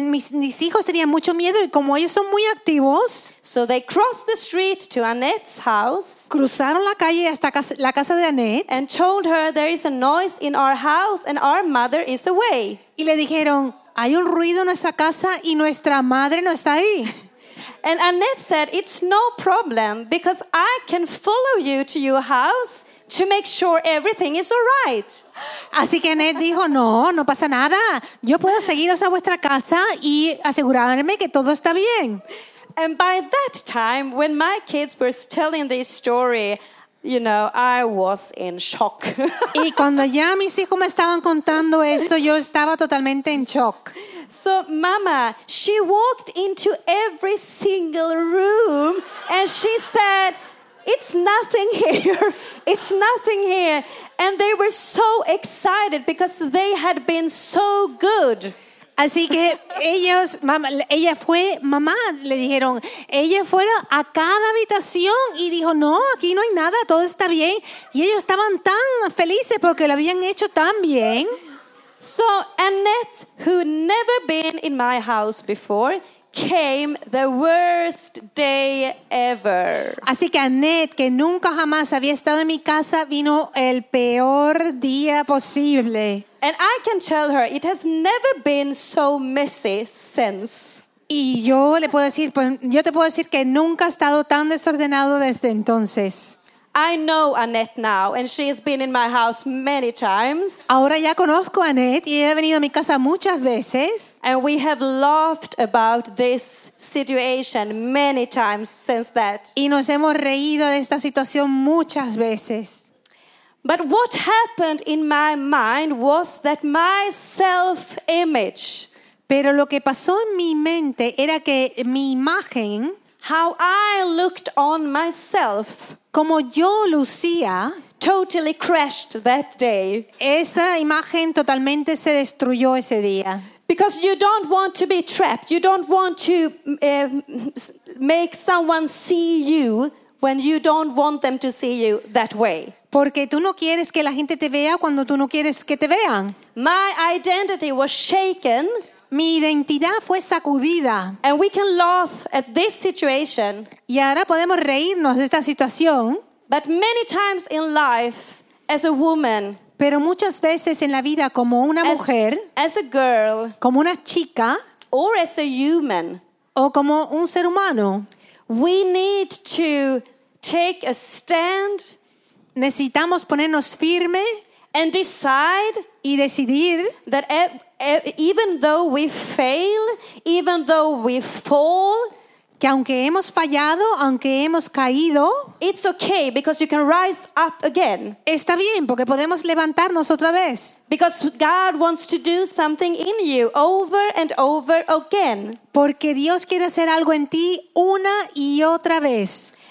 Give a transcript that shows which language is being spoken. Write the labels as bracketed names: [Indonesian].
[Spanish] Mis hijos tenían mucho miedo y como ellos son muy activos. [English] So they crossed the street to Annette's house. [Spanish] Cruzaron la calle hasta la casa de Annette. [English] And told her there is a noise in our house and our mother is away. [Spanish] Y le dijeron, hay un ruido en nuestra casa y nuestra madre no está ahí. [English] And Annette said, it's no problem because I can follow you to your house to make sure everything is all right. [Spanish] Así que Annette dijo, no pasa nada. Yo puedo seguiros a vuestra casa y asegurarme que todo está bien. [English] And by that time, when my kids were telling this story, you know, I was in shock. [Spanish] Y cuando ya mis hijos me estaban contando esto, yo estaba totalmente en shock. [English] So, mama, she walked into every single room and she said, "It's nothing here. It's nothing here." And they were so excited because they had been so good. [Spanish] Así que ella fue a cada habitación y dijo, "No, aquí no hay nada, todo está bien." Y ellos estaban tan felices porque lo habían hecho tan bien. [English] So Annette, who never been in my house before, came the worst day ever. [Spanish] Así que Annette, que nunca jamás había estado en mi casa, vino el peor día posible. [English] And I can tell her it has never been so messy since. [Spanish] Y yo te puedo decir que nunca ha estado tan desordenado desde entonces. [English] I know Annette now, and she has been in my house many times. [Spanish] Ahora ya conozco a Annette y ella ha venido a mi casa muchas veces. [English] And we have laughed about this situation many times since that. [Spanish] Y nos hemos reído de esta situación muchas veces. [English] But what happened in my mind was that my self-image. [Spanish] Pero lo que pasó en mi mente era que mi imagen, [English] how I looked on myself, [Spanish] como yo lucía, [English] totally crashed that day. [Spanish] Esa imagen totalmente se destruyó ese día. [English] Because you don't want to be trapped. You don't want to make someone see you when you don't want them to see you that way. [Spanish] Porque tú no quieres que la gente te vea cuando tú no quieres que te vean. [English] My identity was shaken. [Spanish] Mi identidad fue sacudida. [English] And we can laugh at this situation. [Spanish] Y ahora podemos reírnos de esta situación. [English] But many times in life, as a woman, [Spanish] pero muchas veces en la vida como una mujer, [English] as a girl, [Spanish] como una chica, [English] or as a human, [Spanish] o como un ser humano, [English] we need to take a stand. [Spanish] Necesitamos ponernos firme [English] and decide, [Spanish] y decidir [English] that even though we fail, even though we fall, [Spanish] que aunque hemos fallado, aunque hemos caído, [English] it's okay because you can rise up again. [Spanish] Está bien porque podemos levantarnos otra vez. [English] Because God wants to do something in you over and over again. [Spanish] Porque Dios quiere hacer algo en ti una y otra vez.